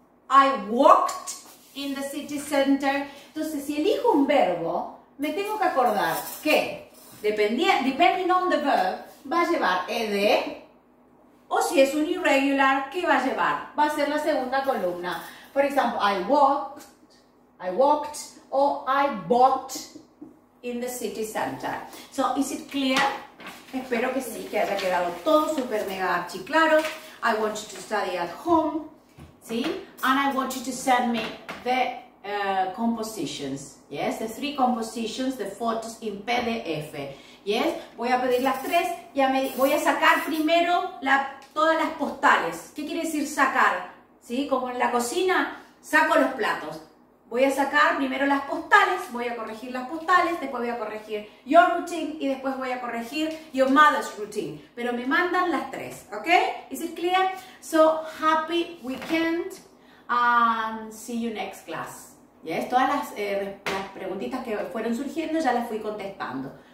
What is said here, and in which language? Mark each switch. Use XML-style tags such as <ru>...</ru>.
<en>I walked in the city center.</en> <es>Entonces, si elijo un verbo, me tengo que acordar que,</es> <en>depending on the verb,</en> <es>va a llevar ed, o si es un irregular, ¿qué va a llevar? Va a ser la segunda columna.</es> <en>For example, I walked, o I bought in the city center. So, is it clear?</en> <es>Espero que sí, que haya quedado todo super mega archi claro.</es> <en>I want you to study at home, ¿sí? And I want you to send me the compositions, yes? The three compositions, the photos in PDF, yes?</en> <es>Voy a pedir las tres y voy a sacar primero todas las postales. ¿Qué quiere decir sacar? ¿Sí? Como en la cocina, saco los platos. Voy a sacar primero las postales, voy a corregir las postales, después voy a corregir</es> <en>your routine</en> <es>y después voy a corregir</es> <en>your mother's routine.</en> <es>Pero me mandan las tres, ¿ok?</es> <en>Is it clear? So, happy weekend and see you next class.</en> <es>Yes, todas las preguntitas que fueron surgiendo ya las fui contestando.</es>